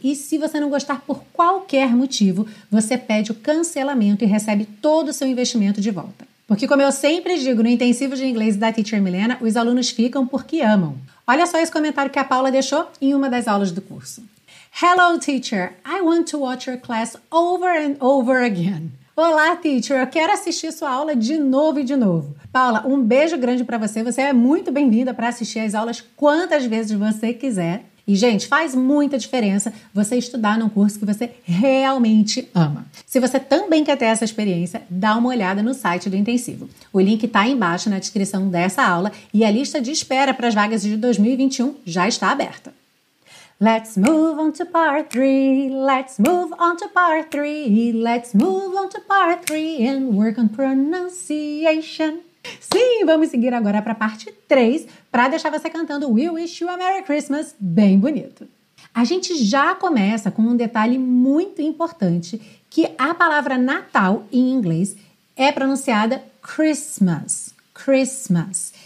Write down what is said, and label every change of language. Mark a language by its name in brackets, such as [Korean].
[Portuguese] E se você não gostar por qualquer motivo, você pede o cancelamento e recebe todo o seu investimento de volta. Porque, como eu sempre digo no Intensivo de Inglês da Teacher Milena, os alunos ficam porque amam. Olha só esse comentário que a Paula deixou em uma das aulas do curso. [English] Hello, teacher. I want to watch your class over and over again. [Portuguese] Olá, teacher. Eu quero assistir sua aula de novo e de novo. Paula, um beijo grande para você. Você é muito bem-vinda para assistir as aulas quantas vezes você quiser. E, gente, faz muita diferença você estudar num curso que você realmente ama. Se você também quer ter essa experiência, dá uma olhada no site do Intensivo. O link está embaixo na descrição dessa aula e a lista de espera para as vagas de 2021 já está aberta. [English] Let's move on to part 3, let's move on to part 3, let's move on to part 3 and work on pronunciation. [Portuguese] Sim, vamos seguir agora para a parte 3, para deixar você cantando We Wish You a Merry Christmas bem bonito. A gente já começa com um detalhe muito importante, que a palavra Natal em inglês é pronunciada Christmas, Christmas.